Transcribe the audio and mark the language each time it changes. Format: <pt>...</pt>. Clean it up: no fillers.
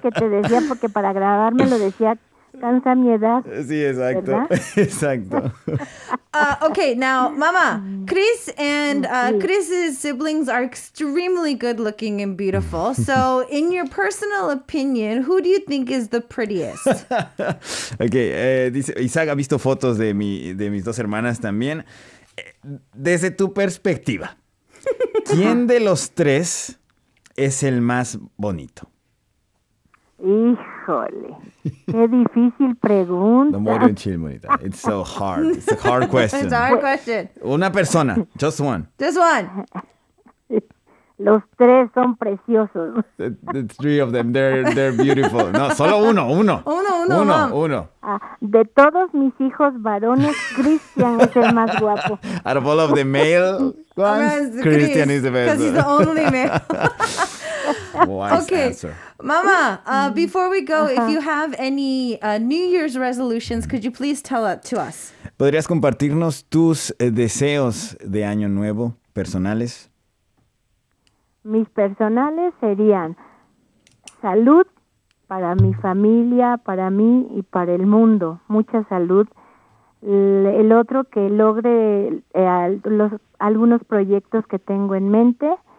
<es>Que te decía porque para grabarme lo decía sí, exacto. Exacto.</es> <en>Okay, now, Mama, Chris and Chris's siblings are extremely good looking and beautiful. So, in your personal opinion, who do you think is the prettiest?</en> <es>Okay, Isaac ha visto fotos de mis dos hermanas también. Desde tu perspectiva, ¿quién de los tres es el más bonito? Híjole, qué difícil pregunta.</es> <en>No more than chill, Monita. It's so hard. It's a hard question. It's a hard question.</en> <es>Una persona,</es> <en>just one. Just one.</en> <es>Los tres son preciosos.</es> <en>The three of them, they're beautiful.</en> <es>No, solo uno, uno. Uno, mom. Uno. De todos mis hijos varones, Christian es el más guapo.</es> <en>Out of all of the male ones, Christian is the best. Because he's the only male. Wise okay, answer. Mama, before we go, if you have any New Year's resolutions, could you please tell it to us?</en> <es>¿Podrías compartirnos tus deseos de año nuevo personales? Mis personales serían salud para mi familia, para mí y para el mundo. Mucha salud. El otro que logre algunos proyectos que tengo en mente.</es>